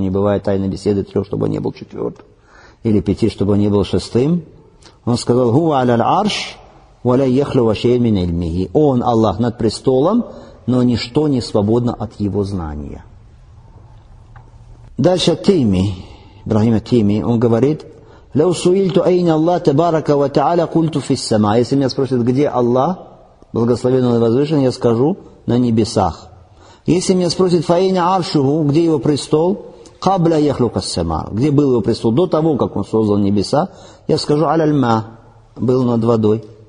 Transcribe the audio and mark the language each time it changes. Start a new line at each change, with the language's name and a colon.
Russian: Не бывает тайной беседы трех, чтобы он не был четвертым. Или пяти, чтобы он не был шестым. Он сказал:
Arabic: «Хуа аля аль-арш, ва ля яхлю ва шей мин ильмихи».
Russian: Он, Аллах, над престолом, но ничто не свободно от его знания. Дальше Тими, Ибрахим Тими, он говорит:
Arabic: لو سئلت أين الله تبارك وتعالى قلت في السماء.
Russian: Если меня спросят, где Аллах, благословенный и возвышенный, я скажу, на небесах. Если меня спросят,
Arabic: فأين عرشه,
Russian: где его престол,
Arabic: قبل يخلق السماء,
Russian: где был его престол, до того, как он создал небеса, я скажу,
Arabic: على الماء,
Russian: был над водой.